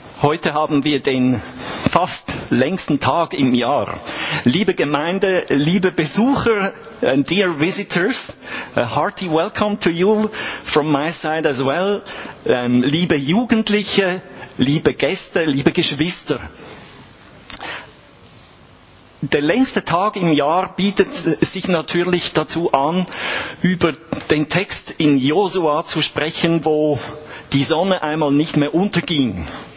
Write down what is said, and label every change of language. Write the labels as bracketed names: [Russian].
[German] Heute haben wir den fast längsten Tag im Jahr. Liebe Gemeinde, liebe Besucher, [English] dear visitors, a hearty welcome to you from my side as well. [German] Liebe Jugendliche, liebe Gäste, liebe Geschwister. Der längste Tag im Jahr bietet sich natürlich dazu an, über den Text in Josua zu sprechen, wo die Sonne einmal nicht mehr unterging.